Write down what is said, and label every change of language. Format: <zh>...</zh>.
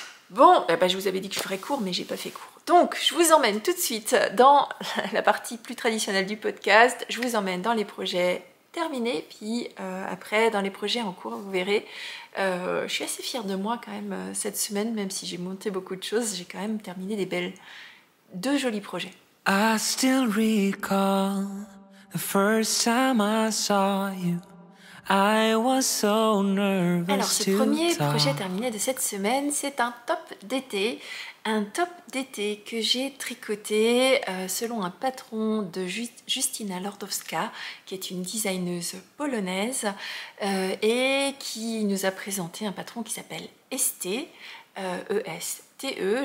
<fr>Bon, je vous avais dit que je ferais court, mais je n'ai pas fait court. Donc, je vous emmène tout de suite dans la partie plus traditionnelle du podcast. Je vous emmène dans les projets terminés, puis après, dans les projets en cours, vous verrez. Je suis assez fière de moi quand même cette semaine, même si j'ai monté beaucoup de choses, j'ai quand même terminé deux jolis projets.</fr> <en>I still recall the first time I saw you. I was so nervous.</en> <fr>Alors, ce premier projet terminé de cette semaine, c'est un top d'été. Un top d'été que j'ai tricoté selon un patron de Justyna Lordowska, qui est une designeuse polonaise, et qui nous a présenté un patron qui s'appelle Este, E-S-T-E.</fr>